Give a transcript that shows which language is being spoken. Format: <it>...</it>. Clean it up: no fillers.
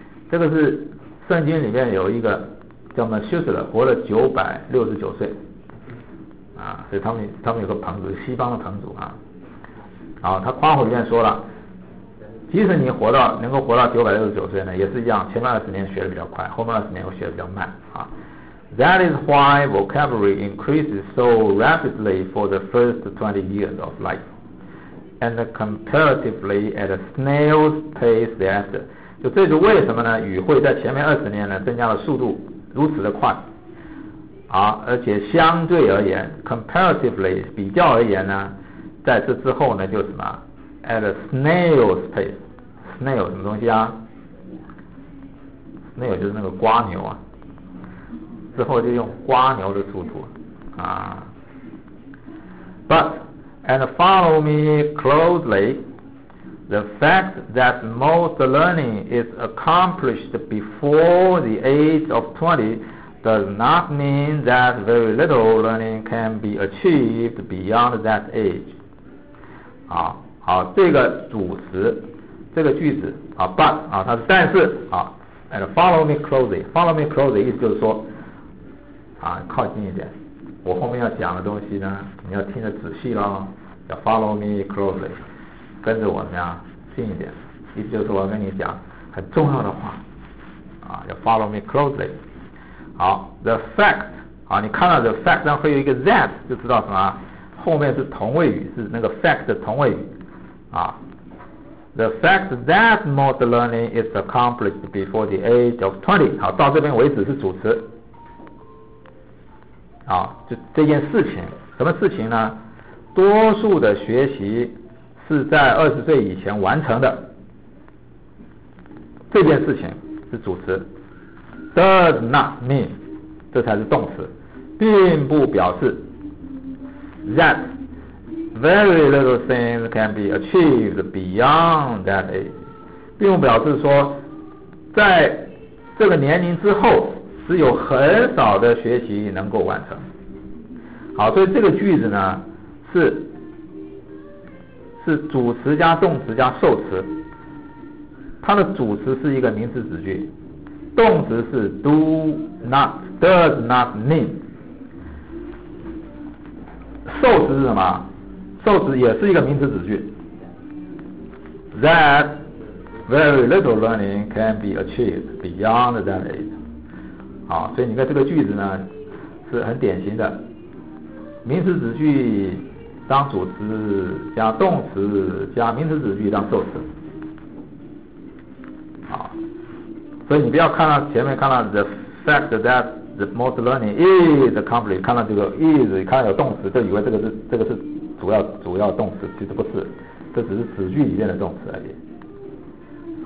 <zh>这个是圣经里面有一个叫 Methuselah， 活了969岁啊，所以他们有个彭祖，西方的彭祖啊。啊，他夸口里面说了，即使你能够活到969岁呢，也是一样，前面二十年学的比较快，后面二十年会学的比较慢啊。</zh> <en>That is why vocabulary increases so rapidly for the first 20 years of life, and comparatively at a snail's pace thereafter.</en> <zh>就这是为什么呢？语会在前面二十年呢增加的速度如此的快，啊，而且相对而言 ，comparatively 比较而言呢？在这之后呢，就什么 ？</zh> <en>At a snail's pace，</en> <zh>snail 什么东西啊 ？snail 就是那个瓜牛啊。之后就用瓜牛的速度啊。</zh> <en>But and follow me closely, the fact that most learning is accomplished before the age of 20 does not mean that very little learning can be achieved beyond that age.</en> <zh>好，这个主词，这个句子啊 ，but 啊，它是但是啊 ，</zh> <en>and follow me closely，</en> <zh>意思就是说，啊，靠近一点，我后面要讲的东西呢，你要听得仔细咯，要</zh> <en>follow me closely，</en> <zh>跟着我怎么样，近一点，意思就是我要跟你讲很重要的话，啊，要 follow me closely。好 ，</zh> <en>the fact，</en> <zh>啊，你看到 the fact， 然后会有一个 that， 就知道什么。后面是同位语，是那个 fact 的同位语啊。</zh> <en>The fact that most learning is accomplished before the age of 20，</en> <zh>好，到这边为止是主词啊。就这件事情，什么事情呢？多数的学习是在二十岁以前完成的，这件事情是主词。</zh> <en>Does not mean，</en> <zh>这才是动词，并不表示。</zh> <en>That very little things can be achieved beyond that age，</en> <zh>并不表示说在这个年龄之后只有很少的学习能够完成。好，所以这个句子呢是是主词加动词加受词，它的主词是一个名词子句，动词是</zh> <en>do not does not mean，</en> <zh>受词是什么？受词也是一个名词子句。</zh> <en>That very little learning can be achieved beyond that age。</en> <zh>好，所以你看这个句子呢是很典型的名词子句当主词加动词加名词子句当受词。好，所以你不要看到前面看到</zh> <en>the fact that the most learning is accomplished，</en> <zh>看到这个 is， 看到有动词就以为这个 是主要动词，其实不是，这只是子句里面的动词而已。</zh>